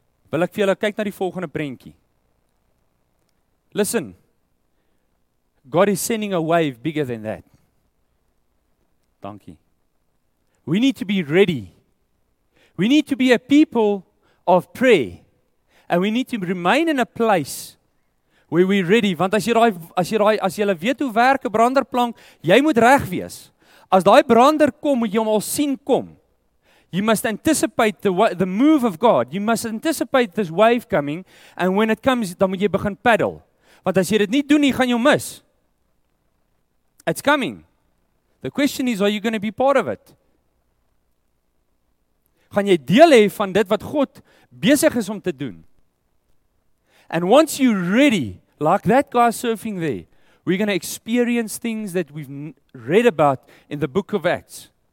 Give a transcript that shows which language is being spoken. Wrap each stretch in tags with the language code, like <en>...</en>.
<af>Wil ek vir julle kyk na die volgende prentjie.</af> <en>Listen. God is sending a wave bigger than that.</en> <af>Dankie.</af> <en>We need to be ready. We need to be a people of prayer. And we need to remain in a place where we're ready.</en> <af>Want as jy weet hoe werk 'n branderplank, jy moet reg wees. As daai brander kom, moet jy hom al sien kom.</af> <en>You must anticipate the move of God. You must anticipate this wave coming. And when it comes,</en> <af>dan moet jy begin paddle. Want as jy dit nie doen nie, gaan jy hom mis.</af> <en>It's coming. The question is, are you going to be part of it?</en> <af>Gaan jy deel hê van dit wat God besig is om te doen?</af> <en>And once you're ready, like that guy surfing there, we're going to experience things that we've read about in the book of Acts.</en>